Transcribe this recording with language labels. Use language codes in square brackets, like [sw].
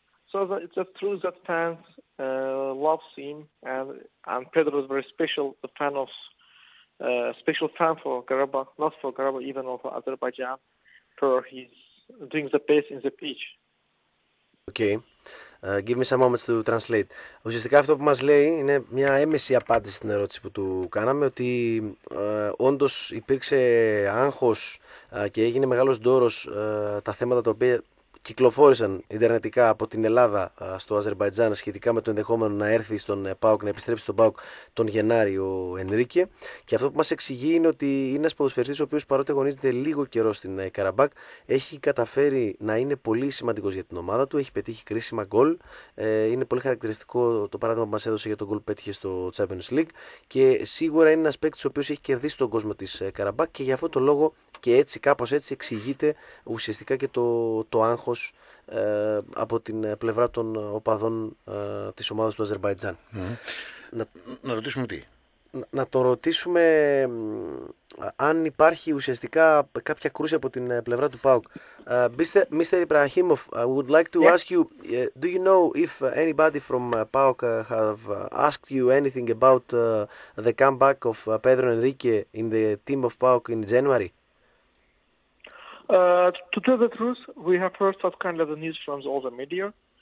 [en] So it's a true that fans loves him, and Pedro is very special, a fan of special fan for Karabakh, not for Karabakh, even for Azerbaijan, for his doing the best in the pitch. Okay. Give me some moments to translate. [el] Ουσιαστικά αυτό που μας λέει είναι μια έμεση απάντηση στην ερώτηση που του κάναμε ότι όντως υπήρξε άγχος και έγινε μεγάλος ντόρος τα θέματα τα οποία κυκλοφόρησαν ιντερνετικά από την Ελλάδα στο Αζερβαϊτζάν σχετικά με το ενδεχόμενο να έρθει στον ΠΑΟΚ, να επιστρέψει στον ΠΑΟΚ τον Γενάρη ο Ενρίκε. Και αυτό που μας εξηγεί είναι ότι είναι ένας ποδοσφαιριστής ο οποίος παρότι αγωνίζεται λίγο καιρό στην Καραμπάκ, έχει καταφέρει να είναι πολύ σημαντικός για την ομάδα του, έχει πετύχει κρίσιμα γκολ. Είναι πολύ χαρακτηριστικό το παράδειγμα που μας έδωσε για τον γκολ που πέτυχε στο Champions League. Και σίγουρα είναι ένας παίκτης ο οποίος έχει κερδίσει τον κόσμο της Καραμπάκ και γι' αυτό το λόγο. Και έτσι, κάπως έτσι, εξηγείται ουσιαστικά και το άγχος από την πλευρά των οπαδών της ομάδας του Αζερβαϊτζάν. Mm-hmm. Να ρωτήσουμε τι. Να το ρωτήσουμε αν υπάρχει ουσιαστικά κάποια κρούση από την πλευρά του ΠΑΟΚ. [en] Mr. Ibrahimov, I would like to ask you, do you know if anybody from ΠΑΟΚ have asked you anything about the comeback of Pedro Enrique in the team of ΠΑΟΚ in January? To tell the truth, we have heard such kind of the news from all the media.